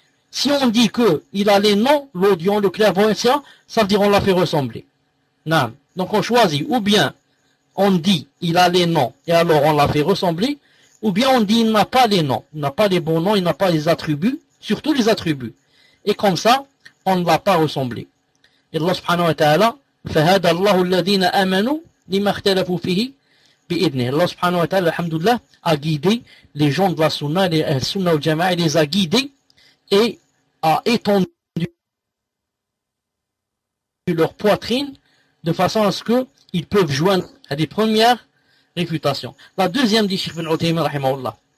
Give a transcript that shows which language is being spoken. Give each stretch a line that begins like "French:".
French: Si on dit que il a les noms, l'audient, le clairvoyant, etc., ça veut dire qu'on l'a fait ressembler. Non. Donc on choisit, ou bien on dit, il a les noms, et alors on l'a fait ressembler, ou bien on dit, il n'a pas les noms, il n'a pas les bons noms, il n'a pas les attributs, surtout les attributs. Et comme ça, on ne l'a pas ressemblé.
Arabic: Et Allah subhanahu wa ta'ala, فَهَدَ اللَّهُ الَّذِينَ آمَنُوا لِمَا اخْتَلَفُوا فِيهِ بِإِذْنِهِ.
French: Allah subhanahu wa ta'ala, alhamdulillah, a guidé les gens de la sunna, les sunna ou jama'a, et les a guidés, et a étendu leur poitrine, de façon à ce que ils peuvent joindre à des premières réfutations. La deuxième dit Cheikh Ibn Uthaymeen, rahimahullah,